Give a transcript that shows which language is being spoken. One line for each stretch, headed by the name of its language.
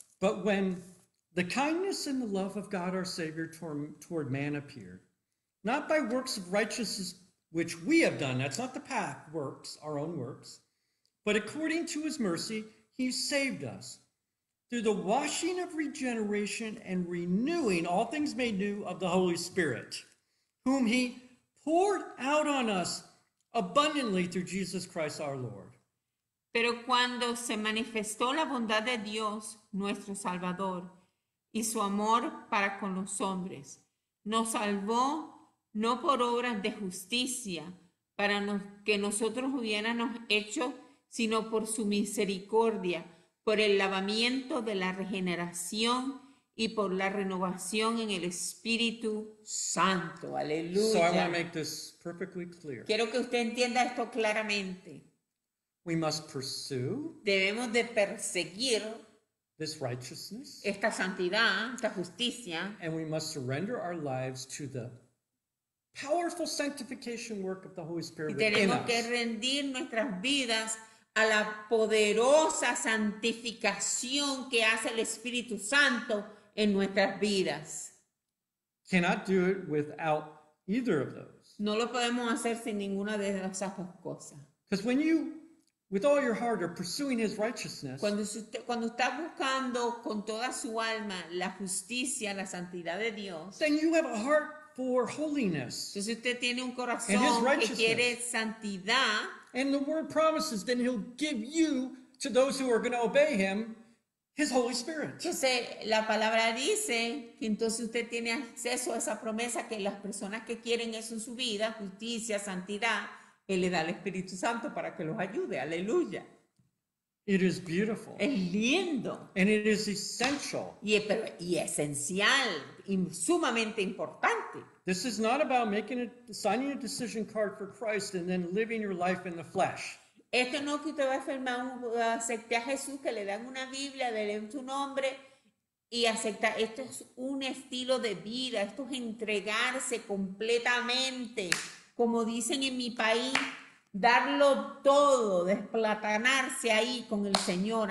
English: But when the kindness and the love of God our Savior toward man appeared, not by works of righteousness which we have done, that's not the path, works, our own works, but according to his mercy, he saved us. Through the washing of regeneration and renewing all things made new of the Holy Spirit, whom he poured out on us abundantly through Jesus Christ our Lord.
Spanish: Pero cuando se manifestó la bondad de Dios, nuestro Salvador, y su amor para con los hombres, nos salvó no por obras de justicia para nos, que nosotros hubiéramos hecho, sino por su misericordia, por el lavamiento de la regeneración y por la renovación en el Espíritu Santo. Aleluya.
English: So I want to make this perfectly clear.
Spanish: Quiero que usted entienda esto claramente.
English: We must pursue.
Spanish: Debemos de perseguir
English: this righteousness.
Spanish: Esta santidad, esta justicia.
English: And we must surrender our lives to the powerful sanctification work of the Holy Spirit within us.
Spanish: Tenemos que rendir nuestras vidas a la poderosa santificación que hace el Espíritu Santo en nuestras vidas.
English: Cannot do it without either of those.
Spanish: No lo podemos hacer sin ninguna de esas dos cosas.
English: Because when you, with all your heart, are pursuing His righteousness,
Spanish: cuando estás buscando con toda su alma la justicia, la santidad de Dios,
English: then you have a heart for holiness.
Spanish: Entonces usted tiene un corazón que quiere santidad.
English: And the word promises then he'll give you to those who are going to obey him his Holy Spirit.
Spanish: Entonces la palabra dice que entonces usted tiene acceso a esa promesa que las personas que quieren eso en su vida, justicia, santidad, él le da el Espíritu Santo para que los ayude. Aleluya.
English: It is beautiful.
Spanish: Es lindo.
English: And it is essential.
Spanish: Y esencial. Y sumamente importante.
English: This is not about making it, signing a decision card for Christ and then living your life in the flesh.
Spanish: Esto no es que usted va a firmar un, acepte a Jesús, que le dan una Biblia, le den su nombre y acepta. Esto es un estilo de vida. Esto es entregarse completamente. Como dicen en mi país, darlo todo, desplatanarse ahí con el Señor.